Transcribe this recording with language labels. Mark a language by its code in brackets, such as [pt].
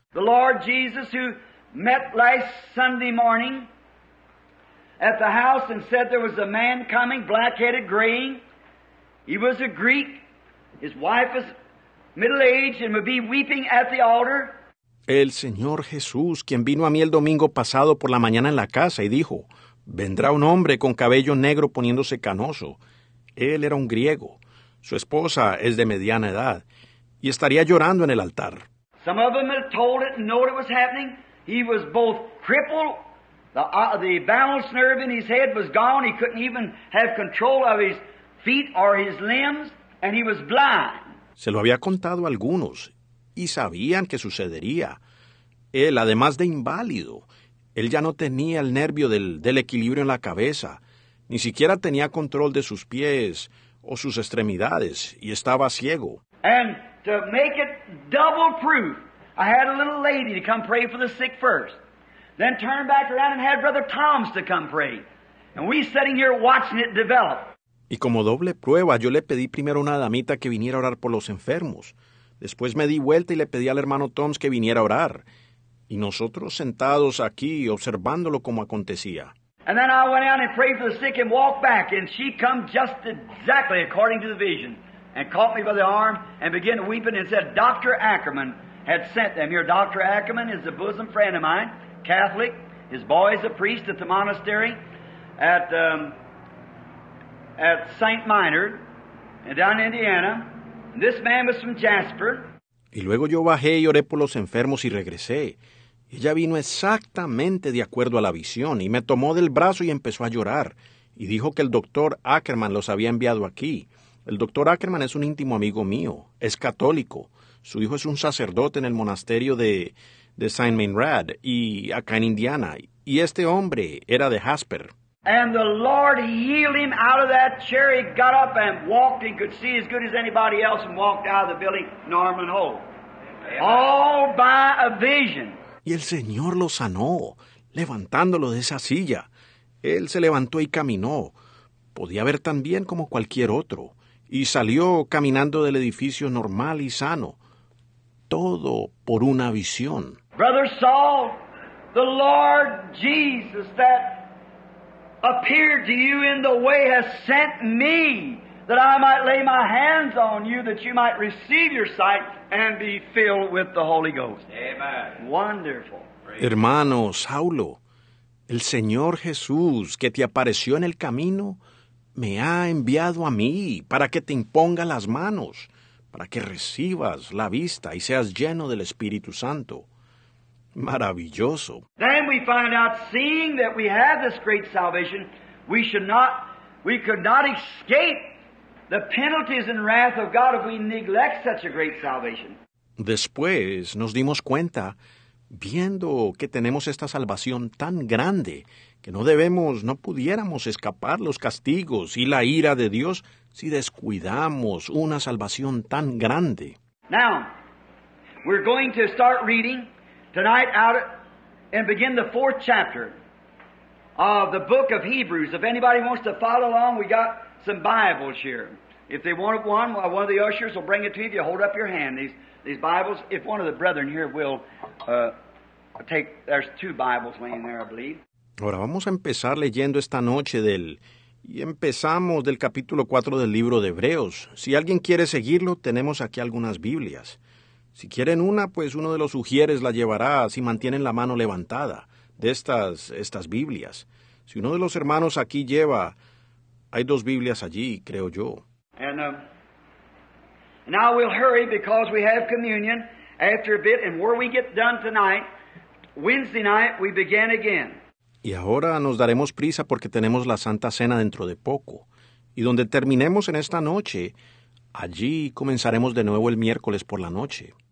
[en] The Lord Jesus, who met last Sunday morning at the house and said there was a man coming, black-headed, graying. He was a Greek. His wife was middle-aged and would be weeping at the altar. [es] El Señor Jesús, quien vino a mí el domingo pasado por la mañana en la casa y dijo, vendrá un hombre con cabello negro poniéndose canoso. Él era un griego. Su esposa es de mediana edad y estaría llorando en el altar. [en] Some of them had told it and know what was happening. He was both crippled. The balance nerve in his head was gone. He couldn't even have control of his feet or his limbs. And he was blind. [es] Se lo había contado a algunos y sabían que sucedería. Él, además de inválido, él ya no tenía el nervio del equilibrio en la cabeza. Ni siquiera tenía control de sus pies o sus extremidades y estaba ciego. [en] And to make it double proof, I had a little lady to come pray for the sick first. Then turned back around and had Brother Tom's to come pray. And we sitting here watching it develop. [es] Y como doble prueba, yo le pedí primero a una damita que viniera a orar por los enfermos. Después me di vuelta y le pedí al hermano Tom's que viniera a orar. Y nosotros sentados aquí, observándolo como acontecía. [en] And then I went out and prayed for the sick and walked back. And she come just exactly according to the vision. And caught me by the arm and began weeping and said, Dr. Ackerman had sent them here. Dr. Ackerman is a bosom friend of mine, Catholic. His boy is a priest at the monastery at St. Minor down in Indiana. And this man was from Jasper. [es] Y luego yo bajé y oré por los enfermos y regresé. Ella vino exactamente de acuerdo a la visión y me tomó del brazo y empezó a llorar y dijo que el doctor Ackerman los había enviado aquí. El doctor Ackerman es un íntimo amigo mío, es católico. Su hijo es un sacerdote en el monasterio de Saint Minrad y acá en Indiana. Y este hombre era de Jasper. [en] And the Lord healed him out of that chair. He got up and walked and could see as good as anybody else and walked out of the building normal and whole. All by a vision. [es] Y el Señor lo sanó, levantándolo de esa silla. Él se levantó y caminó. Podía ver tan bien como cualquier otro. Y salió caminando del edificio normal y sano. Todo por una visión. [en] Brother Saul, the Lord Jesus that appeared to you in the way has sent me that I might lay my hands on you that you might receive your sight and be filled with the Holy Ghost. Amen. Wonderful. [es] Hermano Saulo, el Señor Jesús que te apareció en el camino me ha enviado a mí para que te imponga las manos, para que recibas la vista y seas lleno del Espíritu Santo. Maravilloso. [en] Then we find out, seeing that we have this great salvation, we could not escape the penalties and wrath of God if we neglect such a great salvation. [es] Después nos dimos cuenta, viendo que tenemos esta salvación tan grande, que no pudiéramos escapar los castigos y la ira de Dios si descuidamos una salvación tan grande. [en] Now, we're going to start reading tonight out and begin the fourth chapter of the book of Hebrews. If anybody wants to follow along, we got some Bibles here. If they want one of the ushers will bring it to you. If you hold up your hand, these Bibles. If one of the brethren here will take, there's two Bibles laying there, I believe. [es] Ahora vamos a empezar leyendo esta noche empezamos del capítulo 4 del libro de Hebreos. Si alguien quiere seguirlo, tenemos aquí algunas Biblias. Si quieren una, pues uno de los ujieres la llevará si mantienen la mano levantada de estas Biblias. Si uno de los hermanos aquí lleva, hay dos Biblias allí, creo yo. [en] And now we'll hurry because we have communion after a bit, and where we get done tonight, Wednesday night, we begin again. [es] Y ahora nos daremos prisa porque tenemos la Santa Cena dentro de poco. Y donde terminemos en esta noche, allí comenzaremos de nuevo el miércoles por la noche.